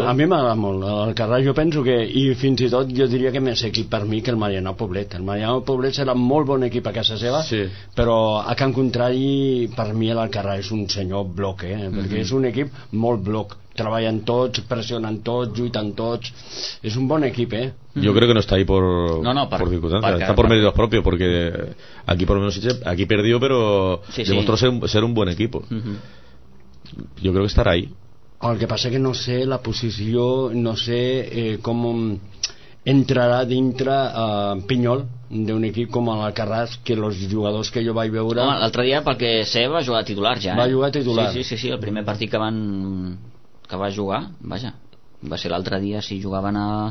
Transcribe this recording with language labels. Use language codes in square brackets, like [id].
[ca] m'agrada molt. El Carràs, jo penso que, i fins i tot jo diria que més equip per mi que el Mariano Poblet. El Mariano Poblet serà molt bon equip a casa seva, sí. Però a Can Contrari, per mi el Carràs és un senyor bloc, eh? Perquè és un equip molt bloc. Treballen tots, pressionen tots, lluiten tots. És un bon equip, eh? [es] Yo creo que no está ahí por circunstancias, está por méritos propios, porque aquí por lo menos aquí perdió, pero sí, demostró ser un buen equipo. Uh-huh. Yo creo que estará ahí. El que pasa es que no sé la posición, no sé cómo entrará dentro Pinyol [ca] d'un equip com l'Alcarràs, que els jugadors que jo vaig veure... Home, l'altre dia, pel que sé, va jugar titular ja. Va jugar titular. Sí, el primer partit que va jugar, vaja, va ser l'altre dia, si jugaven a...